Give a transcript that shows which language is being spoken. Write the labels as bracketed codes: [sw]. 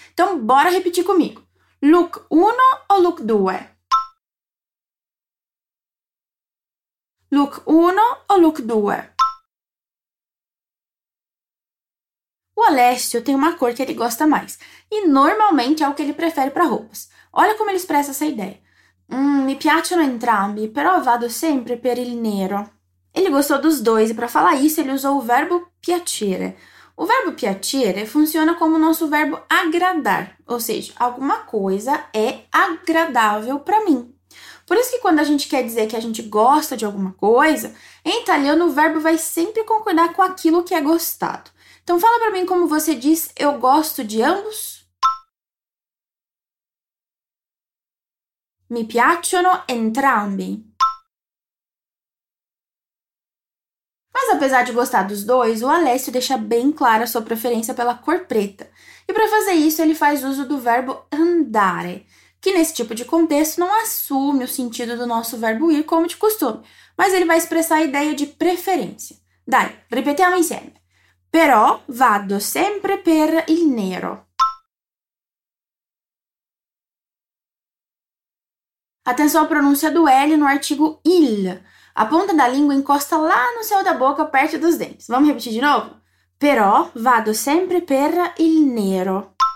[pt] Então, bora repetir comigo. [it] Look uno ou look due? Look uno ou look due? [pt] O Alessio tem uma cor que ele gosta mais e normalmente é o que ele prefere para roupas. Olha como ele expressa essa ideia. [it] Mi piacciono entrambi, però vado sempre per il nero. [pt] Ele gostou dos dois e para falar isso ele usou o verbo piacere. O verbo piacere funciona como o nosso verbo agradar, ou seja, alguma coisa é agradável para mim. Por isso que quando a gente quer dizer que a gente gosta de alguma coisa, em italiano o verbo vai sempre concordar com aquilo que é gostado. Então fala para mim como você diz eu gosto de ambos. [it] Mi piacciono entrambi. [pt] Mas apesar de gostar dos dois, o Alessio deixa bem clara sua preferência pela cor preta. E para fazer isso, ele faz uso do verbo andare, que nesse tipo de contexto não assume o sentido do nosso verbo ir como de costume, mas ele vai expressar a ideia de preferência. [it] Dai, ripetiamo insieme. Però vado sempre per il nero. [pt] Atenção à pronúncia do L no artigo il. A ponta da língua encosta lá no céu da boca, perto dos dentes. Vamos repetir de novo? [it] Però vado sempre per il nero.